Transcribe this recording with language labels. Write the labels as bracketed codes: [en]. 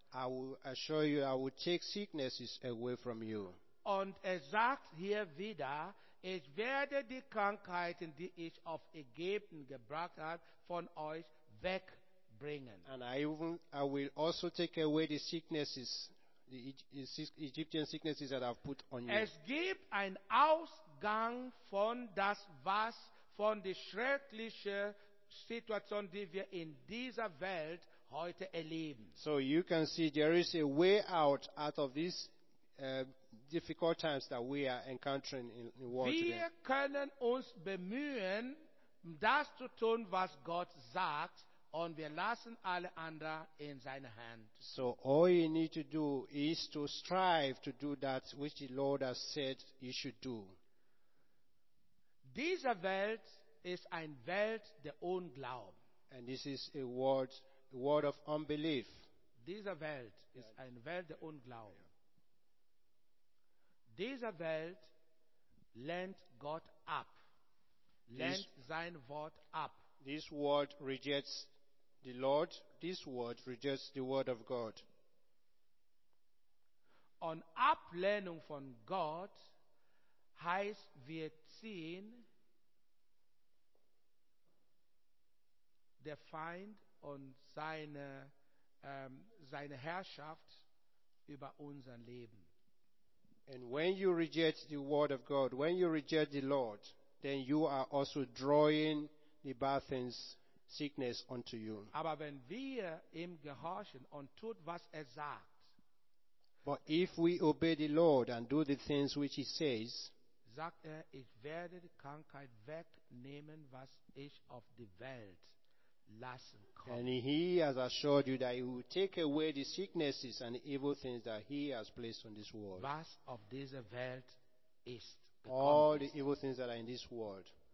[en] I will assure you, I will take sicknesses away from you. [de] Und er sagt hier wieder, ich werde die Krankheiten, die ich auf Ägypten gebracht habe, von euch wegbringen. [en] And I will also take away the sicknesses, the Egyptian sicknesses that I've put on you. [de] Es gibt einen Ausgang von das, was von der schrecklichen Situation, die wir in dieser Welt heute erleben. [en] So you can see there is a way out of this difficult times that we are encountering in the world [de] wir [en] today. [de] Wir können uns bemühen, das zu tun, was Gott sagt, und wir lassen alle anderen in seine Hand. [en] So all you need to do is to strive to do that which the Lord has said you should do. [de] Diese Welt ist ein Welt der Unglauben. [en] And this is a world of unbelief. [de] Diese Welt ist ein Welt der Unglauben. Diese Welt lehnt Gott ab, lehnt sein Wort ab. [en] This world rejects the Lord. This world rejects the word of God. [de] Und Ablehnung von Gott heißt, wir ziehen der Feind und seine Herrschaft über unser Leben. [en] And when you reject the word of God, when you reject the Lord, then you are also drawing the bad things, sickness unto you. [de] Aber wenn wir ihm gehorchen und tut, was er sagt, [en] but if we obey the Lord and do the things which he says, [de] sagt er, ich werde die Krankheit wegnehmen, was ich auf die Welt lassen komme. [en] And he has assured you that he will take away the sicknesses and the evil things that he has placed on this world. Was of this world is all the evil things that are in this world.